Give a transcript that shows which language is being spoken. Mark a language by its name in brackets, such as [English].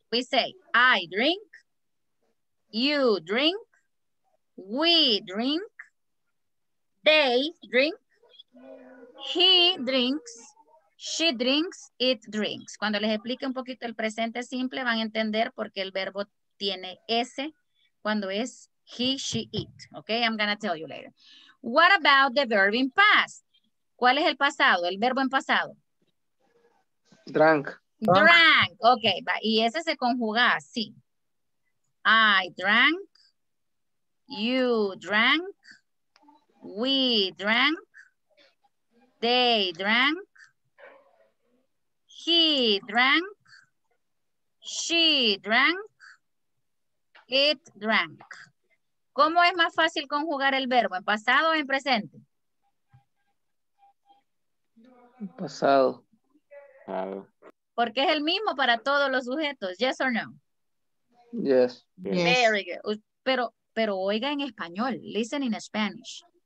[English] We say, I drink, you drink, we drink, they drink, he drinks, she drinks, it drinks. [Spanish] Cuando les explique un poquito el presente simple, van a entender por qué el verbo tiene S cuando es he, she, it. [English] Okay, I'm gonna tell you later. What about the verb in past? [Spanish] ¿Cuál es el pasado, el verbo en pasado? [English] Drank. [Spanish] Drank, okay, y ese se conjuga así. [English] I drank. You drank, we drank, they drank, he drank, she drank, it drank. [Spanish] ¿Cómo es más fácil conjugar el verbo, en pasado o en presente? Pasado. Porque es el mismo para todos los sujetos, [English] yes or no? Yes. Very good. [Spanish] Pero oiga en español, [English] listen in Spanish.